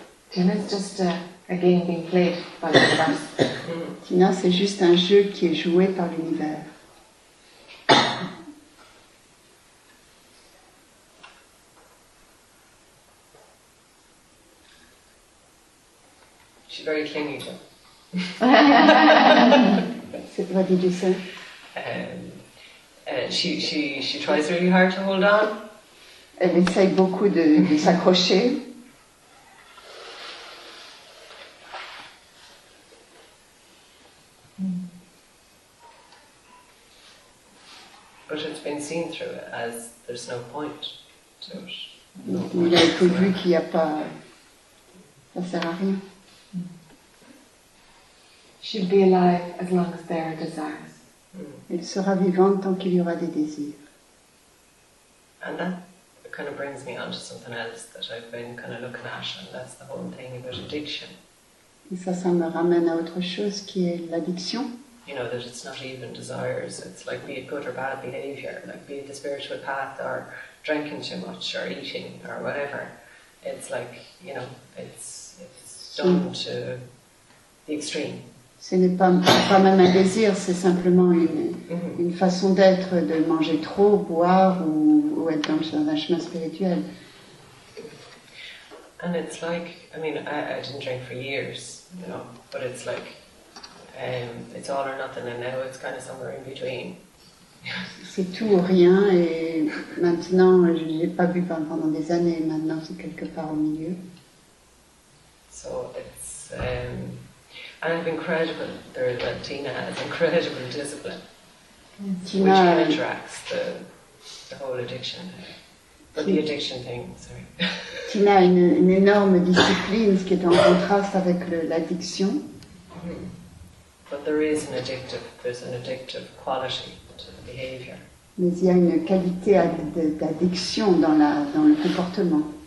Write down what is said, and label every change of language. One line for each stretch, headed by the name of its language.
English: Tina's just a game being played by the universe.
French: Tina, c'est juste un jeu qui est joué par l'univers.
English: She's very clingy, though.
French: C'est vrai,
English: did you say? She tries really hard to hold on.
French: Elle essaye beaucoup de s'accrocher.
English: But it's been seen through it as there's no point to it.
French: Il a été vu qu'il n'y a pas, ça sert à rien.
English: She'll be alive as long as there are desires.
French: Il sera vivant tant qu'il y aura des désirs.
English: And that kind of brings me onto something else that I've been kind of looking at, and that's the whole thing about addiction.
French: Et ça me ramène à autre chose qui est l'addiction.
English: You know, that it's not even desires, it's like be it good or bad behavior, like be it the spiritual path or drinking too much or eating or whatever. It's like, you know, it's done to the extreme.
French: Ce n'est pas même un désir, c'est simplement une façon d'être, de manger trop, boire ou être dans un chemin spirituel.
English: And it's like, I mean, I didn't drink for years, you know, but it's like, it's all or nothing, and now it's kind of somewhere in between.
French: C'est tout ou rien, et maintenant, je n'ai pas bu pendant des années, maintenant c'est quelque part au milieu.
English: So it's and incredible, there is that Tina has incredible discipline, Tina, which kind of tracks the whole addiction. But the addiction thing, sorry.
French: Tina a une énorme discipline, ce qui est en contraste avec l'addiction.
English: But there is an addictive, there's an addictive quality to the behavior.
French: Mais il y a une qualité d'addiction dans le comportement.